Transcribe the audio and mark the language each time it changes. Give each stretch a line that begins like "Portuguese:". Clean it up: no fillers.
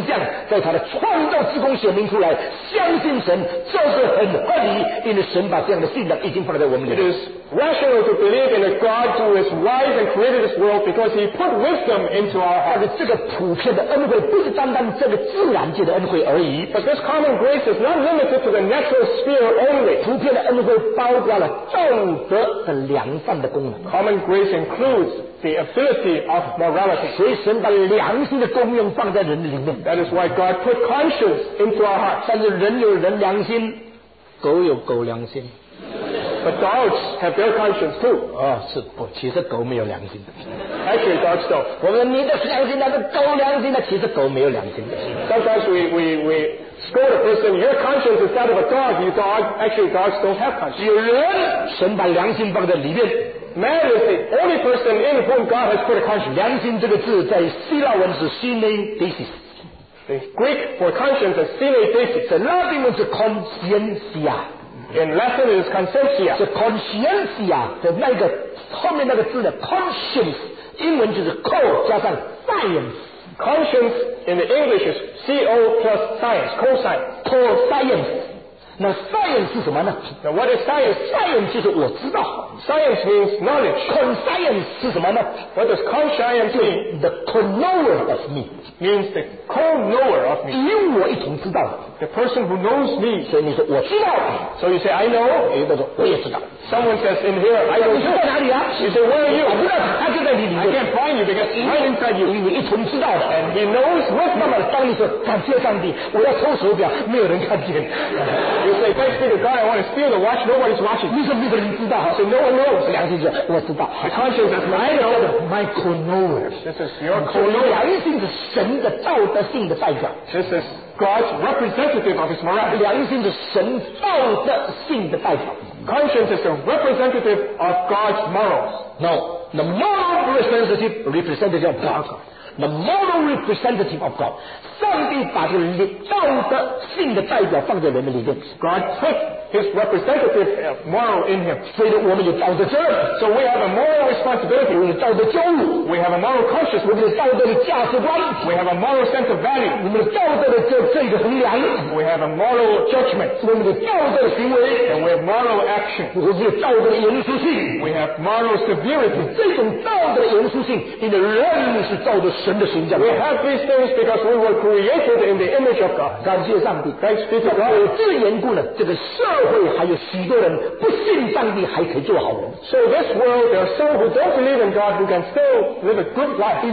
Chinese: 因为神有智慧把这个智慧的形象在他的创造之中显明出来, 相信神这是很合理, 因为神把这样的信仰已经放在我们里面。
English: It is rational to believe in a God who is wise and created this world because he put wisdom into our hearts.
Chinese: 但是这个普遍的恩惠不是单单这个自然界的恩惠而已。
English: But this common grace is not limited to the natural sphere only.
Chinese: 恩惠包括了道德的良善的功能。
English: Common grace includes the ability of morality.
Chinese: 所以神把良心的功用放在人里面。
English: That is why God put conscience into our hearts.
Chinese: 但是人有人良心, 狗有狗良心。
English: But dogs have their conscience too.
Chinese: 其实狗没有良心。
English: Actually, dogs don't.
Chinese: 我们你的良心那是狗良心的，其实狗没有良心的。
English: Sometimes we scold a person, your conscience is that of a dog. You dog, actually dogs don't have conscience.
Chinese: 有人, 神把良心放在里面。
English: Man is the only person in whom God has put a conscience.
Chinese: 良心这个字在希腊文是synesthesis。
English: The Greek for conscience is synesthesis. The Latin is conscientia. In Latin it is conscientia.
Chinese: 是conscientia的那个后面那个字的 conscience, 英文就是co 加上 science.
English: Conscience in the English is co plus science, cosine. Co-science.
Chinese: 那science是什么呢?
English: Now what is science?
Chinese: Science就是我知道。
English: Science means knowledge.
Chinese: Conscience是什么呢?
English: What does conscience mean? The co-knower of me. Means the co-knower of me.
Chinese: 与我一同知道。
English: The person who knows me.
Chinese: 所以你说我知道。
English: So you say, I know.
Chinese: 有的说我也知道。
English: Someone says, in here, I know.
Chinese: 你说在哪里啊?
English: You say, where are you?
Chinese: 我不知道他就在你里面。
English: I can't find you because right inside you.
Chinese: 与你一同知道。
English: And he knows with me.
Chinese: 当你说, 感谢上帝, 我要抽手表, 没有人看见。
English: You say, thanks be to God, I want to steal the watch, nobody's watching.
Chinese: 你说你的人知道。
English: So no one knows.
Chinese: 良心者,我知道。
English: My conscience is my know. My co-knower. This is your co-knower.
Chinese: 良心是神的道德性的代表。
English: This is God's representative of his morality.
Chinese: 良心是神道德性的代表。
English: Conscience is a representative of God's morals. No, the moral representative, representative of God. The moral representative of God.
Chinese: 上帝把这个道德性的代表放在人们里面。
English: God put his representative moral in him. So we have a moral responsibility. We have a moral conscience. We have a moral sense of value. We have a moral judgment. And we have moral action. We have moral severity. We have these things because we were created in the image of God.
Chinese: 感谢上帝,
English: thanks be to God.
Chinese: 这个社会还有许多人不信上帝,
English: so this world, there are some who don't believe in God who can still live a good life.